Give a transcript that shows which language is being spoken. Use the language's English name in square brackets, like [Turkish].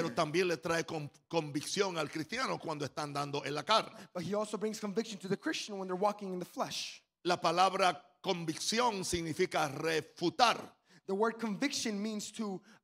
[Spanish] Pero también le trae convicción al cristiano cuando está andando en la carne. [English] But he also brings conviction to the Christian when they're walking in the flesh. [Spanish] La palabra convicción significa refutar. [English] The word conviction means to